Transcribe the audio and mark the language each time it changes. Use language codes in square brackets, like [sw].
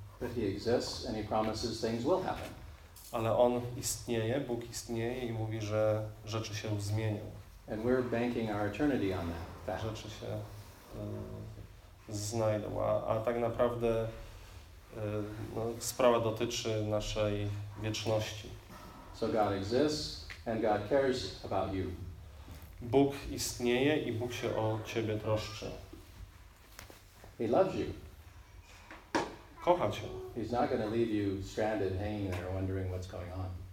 [en] But he exists and he promises things will happen. [pl] Ale on istnieje, Bóg istnieje i mówi, że rzeczy się zmienią. [en] And we're banking our eternity on that fact. [pl] Rzeczy się znajdą, a tak naprawdę sprawa dotyczy naszej wieczności. [en] So God exists and God cares about you. [pl] Bóg istnieje i Bóg się o ciebie troszczy. [en] He loves you. [pl] Kocha cię. [en] He's not going to leave you stranded, hanging there, wondering what's going on.